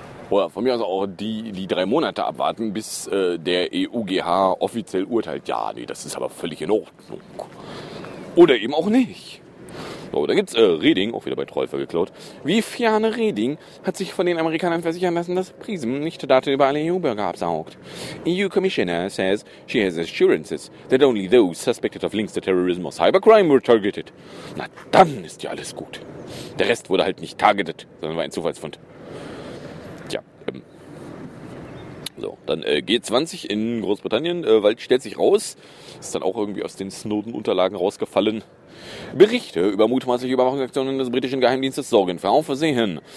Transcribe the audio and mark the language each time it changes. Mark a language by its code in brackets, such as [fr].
[de] Oder von mir aus auch die 3 Monate abwarten, bis der EUGH offiziell urteilt. Ja, nee, das ist aber völlig in Ordnung. Oder eben auch nicht. So, da gibt's Reding, auch wieder bei Träufer geklaut. Wie Fiane Reding hat sich von den Amerikanern versichern lassen, dass Prism nicht Daten über alle EU-Bürger absaugt. [en] EU Commissioner says she has assurances that only those suspected of links to terrorism or cybercrime were targeted. [de] Na, dann ist ja alles gut. Der Rest wurde halt nicht targeted, sondern war ein Zufallsfund. Tja, So, dann G20 in Großbritannien, weil stellt sich raus, ist dann auch irgendwie aus den Snowden-Unterlagen rausgefallen. Berichte über mutmaßliche Überwachungsaktionen des britischen Geheimdienstes sorgen für Aufsehen.